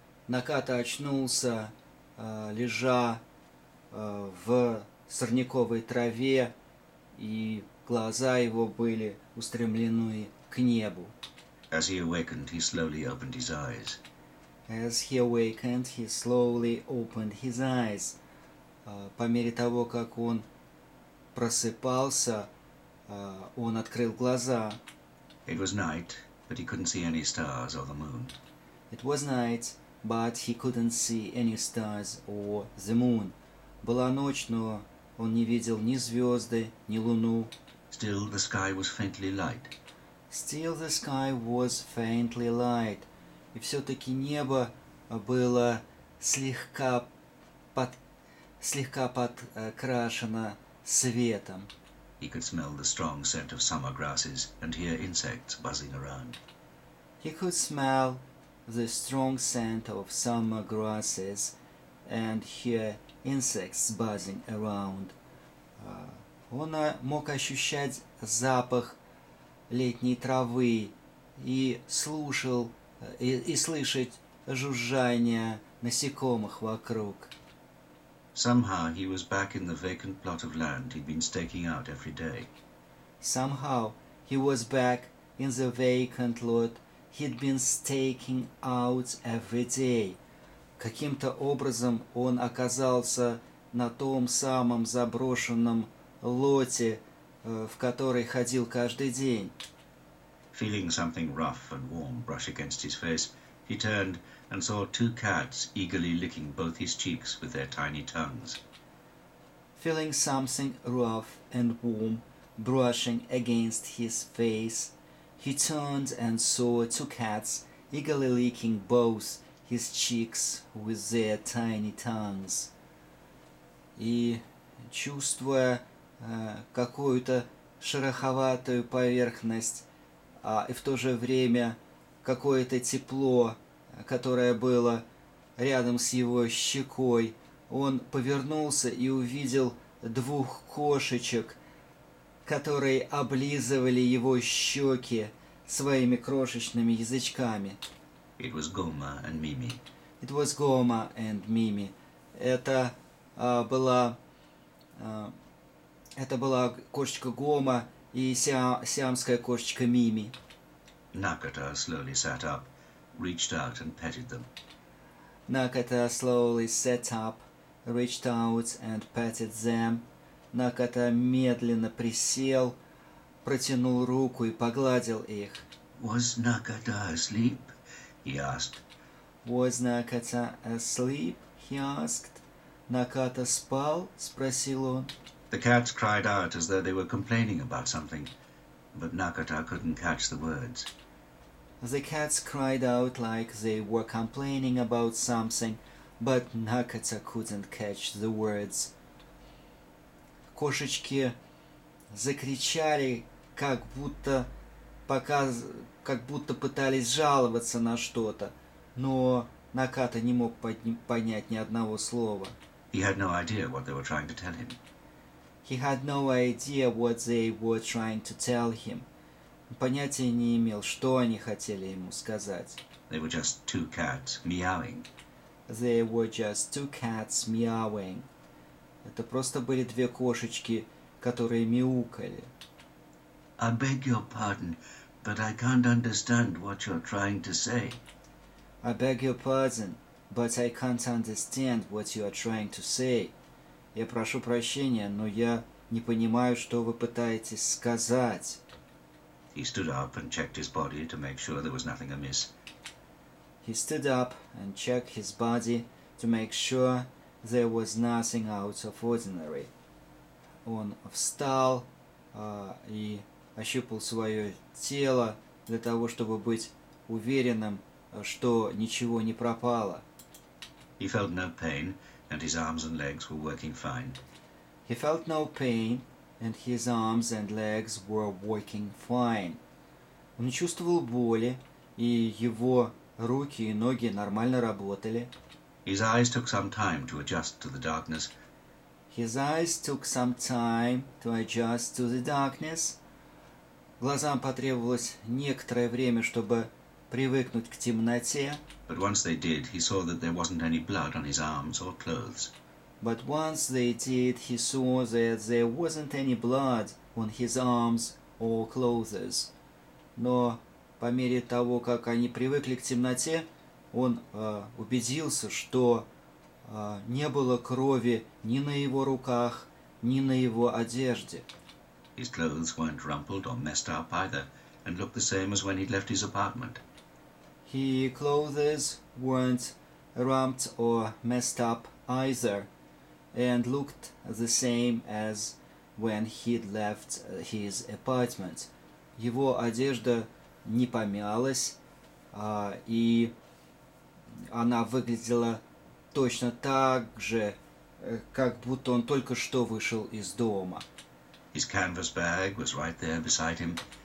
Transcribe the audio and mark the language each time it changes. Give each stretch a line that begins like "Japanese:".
Russian: Nakata очнулся, лежа в сорняковой траве, и глаза его были устремлены к небу.
English: As he awakened, he slowly opened his eyes. As he awakened, he slowly opened his eyes.
Russian: По мере того, как он просыпался, он открыл глаза.
English: It was night, but he couldn't see any stars or the moon. It was night, but he couldn't see any stars or the moon.
Russian: Была ночь, но он не видел ни звезды, ни луну.
English: Still the sky was faintly light. Still the sky was faintly light.
Russian: И все-таки небо было слегка подкрашено светом.
English: He could smell the strong scent of summer grasses and hear insects buzzing around. He could smell the strong scent of summer grasses and hear insects buzzing around.
Russian: Он мог ощущать запах летней травы и слушал и слышать жужжание насекомых вокруг.
English: Somehow he was back in the vacant plot of land he'd been staking out every day. Somehow he was back in the vacant lot he'd been staking out every day.
Russian: Каким-то образом он оказался на том самом заброшенном лоте, в который ходил каждый день.
English: Feeling something rough and warm brush against his face, he turned and saw two cats eagerly licking both his cheeks with their tiny tongues. Feeling something rough and warm brushing against his face, he turned and saw two cats eagerly licking both his cheeks with their tiny tongues.
Russian: И чувствуя какую-то шероховатую поверхность, и в то же время какое-то тепло, которое было рядом с его щекой, он повернулся и увидел двух кошечек, которые облизывали его щеки своими крошечными язычками.
English: It was Goma and Mimi. It was Goma and Mimi.
Russian: Это была кошечка Гома и сиамская кошечка Мими.
English: Nakata slowly sat up, reached out and petted them. Nakata slowly sat up, reached out and petted them.
Russian: Nakata медленно присел, протянул руку и погладил их.
English: Was Nakata asleep? He asked. Was Nakata asleep? He asked.
Russian: Nakata спал? Спросил он.
English: The cats cried out as though they were complaining about something, but Nakata couldn't catch the words. The cats cried out like they were complaining about something, but Nakata couldn't catch the words.
Russian: Кошечки закричали, как будто пытались жаловаться на что-то, но Наката не мог понять ни одного слова.
English: He had no idea what they were trying to tell him. He had no idea what they were trying to tell him.
Russian: Понятия не имел, что они хотели ему сказать.
English: They were just two cats meowing. They were just two cats meowing.
Russian: Это просто были две кошечки, которые мяукали.
English: I beg your pardon, but I can't understand what you're trying to say. I beg your pardon, but I can't understand what you are trying to say.
Russian: Я прошу прощения, но я не понимаю, что вы пытаетесь сказать.
English: He stood up and checked his body to make sure there was nothing amiss. He stood up and checked his body to make sure there was nothing out of ordinary.
Russian: Он встал и ощупал свое тело для того, чтобы быть уверенным, что ничего не пропало.
English: He felt no pain. And his arms and legs were working fine. He felt no pain, and his arms and legs were working fine.
Russian: Он не чувствовал боли, и его руки и ноги нормально работали.
English: His eyes took some time to adjust to the darkness. His eyes took some time to adjust to the darkness.
Russian: Глазам потребовалось некоторое время, чтобы привыкнуть к темноте.
English: But once they did, he saw that there wasn't any blood on his arms or clothes. But once they did, he saw that there wasn't any blood on his arms or clothes.
Russian: Но по мере того, как они привыкли к темноте, он убедился, что не было крови ни на его руках, ни на его одежде.
English: His clothes weren't rumpled or messed up either, and looked the same as when he'd left his apartment. His clothes weren't rumped or messed up either, and looked the same as when he'd left his apartment.
Russian: Его одежда не помялась, и она выглядела точно так же, как будто он только что вышел из дома.
English: His canvas bag was right there beside him.